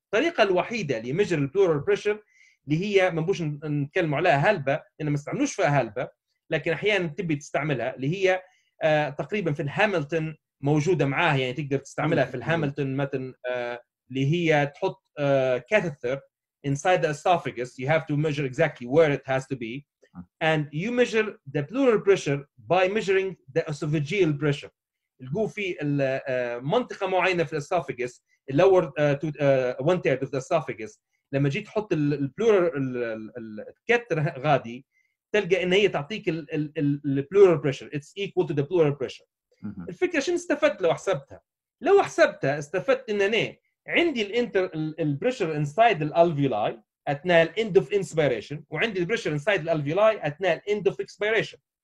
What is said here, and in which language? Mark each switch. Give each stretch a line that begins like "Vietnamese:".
Arabic: الطريقة الوحيدة اللي
English: measure blood pressure
Arabic: اللي هي ما بوش نتكلم عليها هلبة، إنه ما استعملوش فيها هلبة، لكن أحيانًا تبي تستعملها اللي هي تقريبًا في الهاملتون موجودة معاه، يعني تقدر تستعملها في الهاملتون مثلًا اللي هي تحط كاثيتر
English: inside the esophagus. You have to measure exactly where it has to be, and you measure the pleural pressure by measuring the esophageal pressure.
Arabic: الجو في المنطقة معينة في الاسافيجس
English: lower to one third of the esophagus.
Arabic: لما جيت تحط البلورال الكاتر غادي تلقى إن هي تعطيك البلورال بريشر.
English: It's equal to the pleural pressure.
Arabic: الفكرة شنو استفدت لو حسبتها؟ لو حسبتها استفدت إن أنا عندي الانتر البريشر
English: inside the alveoli
Arabic: أثناء ال
English: end of inspiration
Arabic: وعندي البريشر inside the alveoli أثناء ال
English: end of expiration.